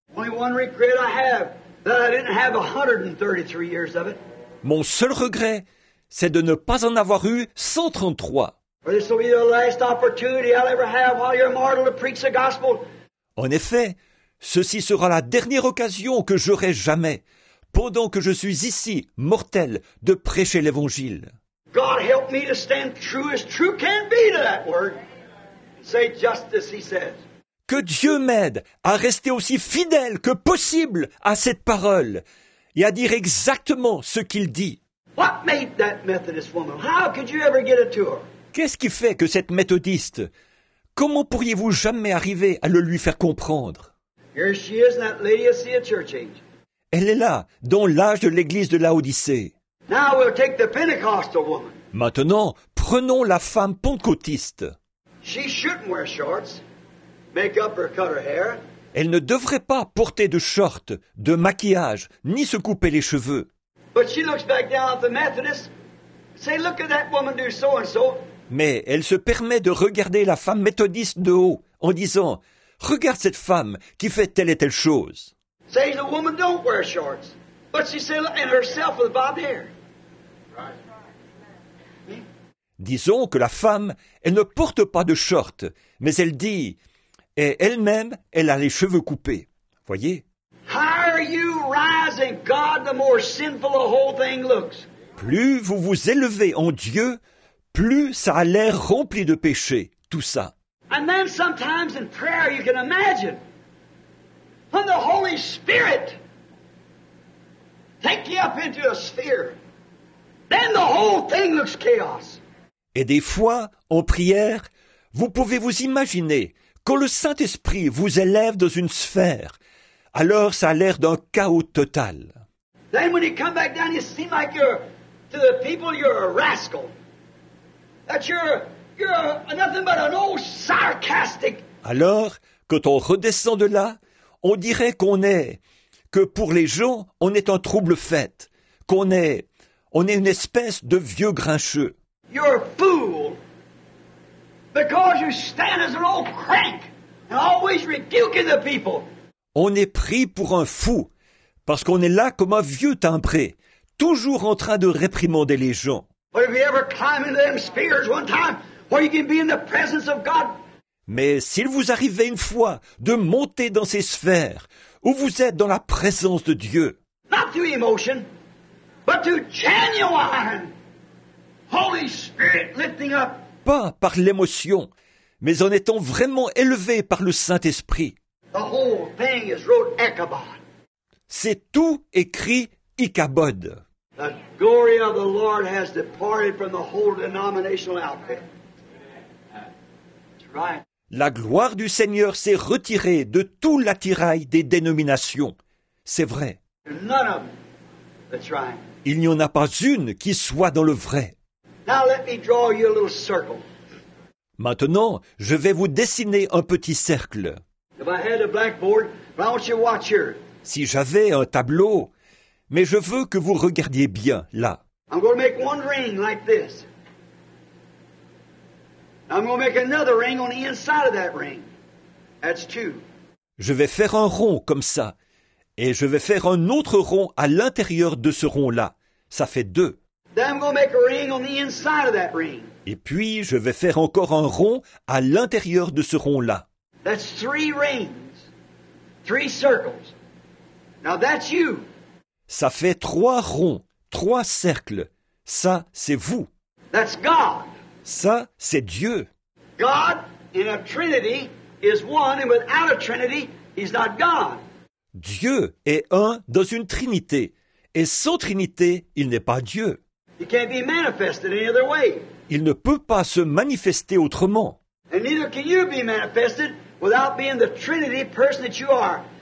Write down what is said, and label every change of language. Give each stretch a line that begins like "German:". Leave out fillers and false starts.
English: Only one regret I have, that I didn't have 133 years of it.
French: Mon seul regret, c'est de ne pas en avoir eu 133.
English: Or this will be the last opportunity I'll ever have while you're mortal to preach the gospel.
French: En effet, ceci sera la dernière occasion que j'aurai jamais, pendant que je suis ici, mortel, de prêcher l'Évangile.
English: God help me to stand true as true can be to that word. Say justice, he says.
French: Que Dieu m'aide à rester aussi fidèle que possible à cette parole et à dire exactement ce qu'il dit.
English: What made that Methodist woman? How could you ever get it to her?
French: Qu'est-ce qui fait que cette méthodiste, comment pourriez-vous jamais arriver à le lui faire comprendre?
English: Here she is, that lady of the church age.
French: Elle est là, dans l'âge de l'église de Laodicée.
English: Now we'll take the Pentecostal woman.
French: Maintenant, prenons la femme pentecôtiste.
English: She shouldn't wear shorts, make up or cut her hair.
French: Elle ne devrait pas porter de shorts, de maquillage, ni se couper les cheveux.
English: But she looks back down at the Methodist, say, look at that woman do so and so.
French: Mais elle se permet de regarder la femme méthodiste de haut en disant, regarde cette femme qui fait telle et telle chose.
English: Say the woman don't wear shorts. But she said, and herself with bobbed hair.
French: Disons que la femme, elle ne porte pas de short, mais elle dit, et elle-même, elle a les cheveux coupés. Voyez?
English: Higher you rise in God, the more sinful the whole thing looks.
French: Plus vous vous élevez en Dieu, plus ça a l'air rempli de péché, tout ça.
English: And then sometimes in prayer you can imagine when the Holy Spirit takes you up into a sphere, then the whole thing looks chaos.
French: Et des fois, en prière, vous pouvez vous imaginer quand le Saint-Esprit vous élève dans une sphère, alors ça a l'air d'un chaos total.
English: Then when you come back down, you seem like you're to the people you're a rascal. That you're nothing but an old sarcastic.
French: Alors, quand on redescend de là, on dirait qu'on est, que pour les gens, on est un trouble fête, qu'on est une espèce de vieux grincheux.
English: You're a fool. Because you stand as an old crank and always rebuking the people.
French: On est pris pour un fou, parce qu'on est là comme un vieux timbré, toujours en train de réprimander les gens.
English: But if you ever climb into them spears one time, where you can be in the presence of God.
French: Mais s'il vous arrivait une fois de monter dans ces sphères où vous êtes dans la présence de Dieu.
English: Not through emotion, but through genuine Holy Spirit lifting up.
French: Pas par l'émotion, mais en étant vraiment élevé par le Saint-Esprit.
English: The whole thing is wrote Ichabod.
French: C'est tout écrit Ichabod.
English: The glory of the Lord has departed from the whole denominational outfit. Right.
French: La gloire du Seigneur s'est retirée de tout l'attirail des dénominations. C'est vrai.
English: None of them. That's right.
French: Il n'y en a pas une qui soit dans le vrai.
English: Now let me draw you a little circle.
French: Maintenant, je vais vous dessiner un petit cercle.
English: If I had a blackboard, but I want you to watch here.
French: Si j'avais un tableau, mais je veux que vous regardiez bien là.
English: I'm going to make one ring like this. I'm going to make another ring on the inside of that ring. That's two.
French: Je vais faire un rond comme ça, et je vais faire un autre rond à l'intérieur de ce rond là. Ça fait deux.
English: Then I'm going to make a ring on the inside of that ring.
French: Et puis, je vais faire encore un rond à l'intérieur de ce rond-là.
English: That's three rings, three circles. Now that's you.
French: Ça fait trois ronds, trois cercles. Ça, c'est vous.
English: That's God.
French: Ça, c'est Dieu.
English: God in a Trinity is one, and without a Trinity, he's not God.
French: Dieu est un dans une Trinité, et sans Trinité, il n'est pas Dieu.
English: He can't be manifested any other way.
French: Il ne peut pas se manifester autrement.
English: And neither can you be manifested without being the Trinity person that you are.